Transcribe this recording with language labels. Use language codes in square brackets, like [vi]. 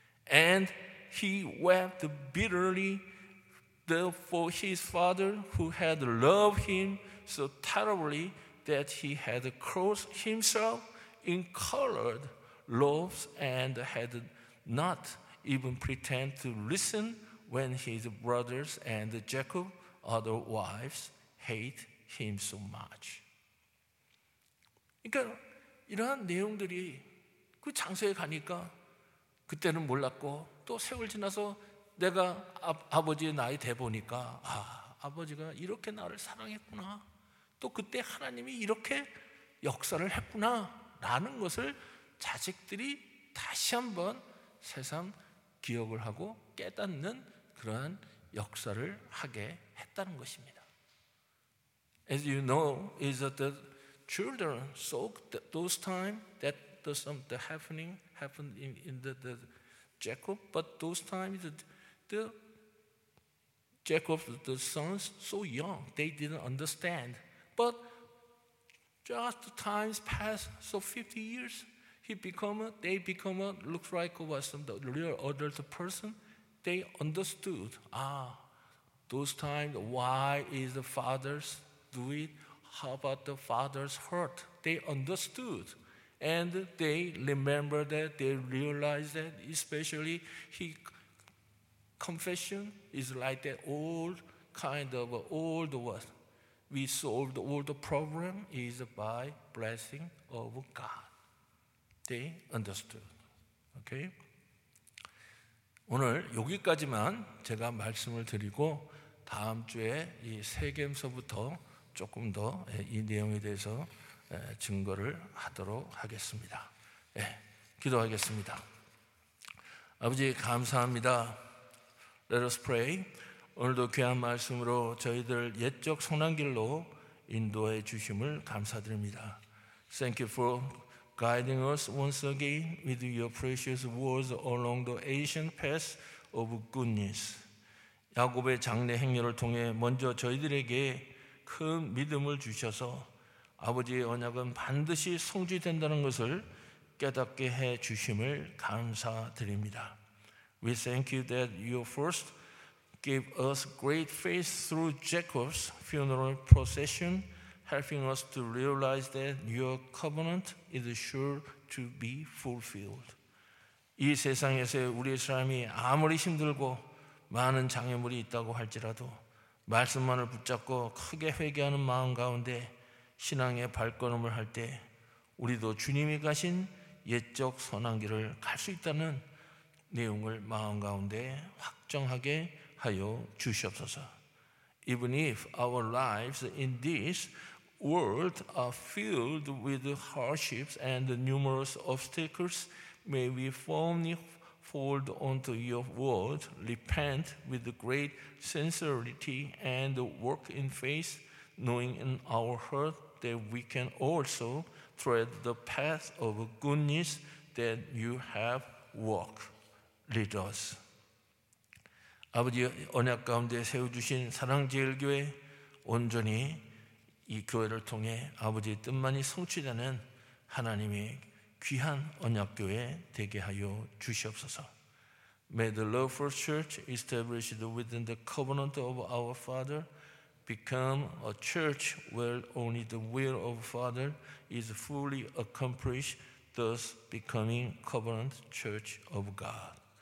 [en] And he wept bitterly for his father who had loved him so terribly that he had clothed himself in colored robes and had not even pretend to listen when his brothers and Jacob's other wives hate him so much. [ko] 그러니까 이러한 내용들이 그 장소에 가니까 그때는 몰랐고 또 세월 지나서 내가 아버지의 나이 돼 보니까 아, 아버지가 이렇게 나를 사랑했구나. 또 그때 하나님이 이렇게 역사를 했구나 라는 것을 자식들이 다시 한번 세상 기억을 하고 깨닫는 그러한 역사를 하게 했다는 것입니다. [en] As you know, is that the children soak those times that the happening happened in the Jacob, but those times the Jacob the sons so young they didn't understand. But just the times pass, so 50 years. They become looks like was the real adult person. They understood. Ah, those times. Why is the fathers do it? How about the fathers hurt? They understood, and they remember that. They realize that. Especially he confession is like that old kind of old was. We solved all the problem is by blessing of God. They understood. Okay. [ko] 오늘 여기까지만 제가 말씀을 드리고 다음 주에 이 세겜서부터 조금 더 이 내용에 대해서 증거를 하도록 하겠습니다. 예, 기도하겠습니다. 아버지 감사합니다. [en] Let us pray. [ko] 오늘도 귀한 말씀으로 저희들 옛적 선한길로 인도해 주심을 감사드립니다. [en] Thank you for guiding us once again with your precious words along the ancient path of goodness. [ko] 야곱의 장례 행렬을 통해 먼저 저희들에게 큰 믿음을 주셔서 아버지의 언약은 반드시 성취된다는 것을 깨닫게 해 주심을 감사드립니다. [en] We thank you that you first gave us great faith through Jacob's funeral procession, helping us to realize that your covenant is sure to be fulfilled. [ko] 이 세상에서 우리의 삶이 아무리 힘들고 많은 장애물이 있다고 할지라도 말씀만을 붙잡고 크게 회개하는 마음 가운데 신앙의 발걸음을 할 때 우리도 주님이 가신 옛적 선한 길을 갈 수 있다는 내용을 마음 가운데 확정하게 하여 주시옵소서. [en] Even if our lives in this world are filled with hardships and numerous obstacles, may we firmly hold onto your word, repent with great sincerity and work in faith, knowing in our heart that we can also tread the path of goodness that you have walked. Lead us. [ko] 아버지 언약 가운데 세워주신 사랑제일교회 온전히 이 교회를 통해 아버지의 뜻만이 성취되는 하나님의 귀한 언약교회 되게 하여 주시옵소서. [en] May the love for church established within the covenant of our Father become a church where only the will of Father is fully accomplished, thus becoming covenant church of God.